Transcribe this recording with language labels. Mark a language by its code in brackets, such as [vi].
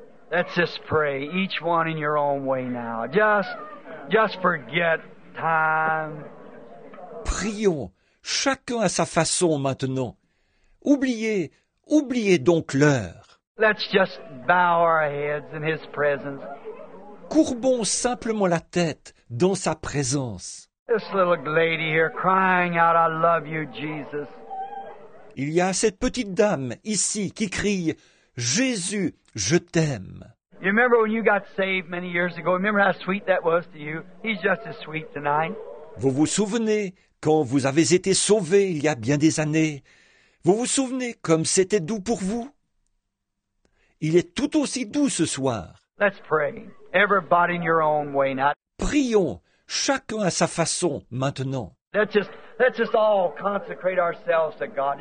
[en] Let's just pray, each one in your own way now. Just forget time. [fr] Prions, chacun à sa façon maintenant. Oubliez donc l'heure. [en] Let's just bow our heads in his presence. [fr] Courbons simplement la tête dans sa présence. [en] This little lady here crying out, I love you, Jesus. [fr] Il y a cette petite dame ici qui crie, Jésus, je t'aime. [en] You remember when you got saved many years ago? Remember how sweet that was to you? He's just as sweet tonight. [fr] Vous vous souvenez quand vous avez été sauvé il y a bien des années? Vous vous souvenez comme c'était doux pour vous? Il est tout aussi doux ce soir. [en] Let's pray. Everybody in your own way now. [fr] Prions, chacun à sa façon maintenant. [en] Let's just all consecrate ourselves to God.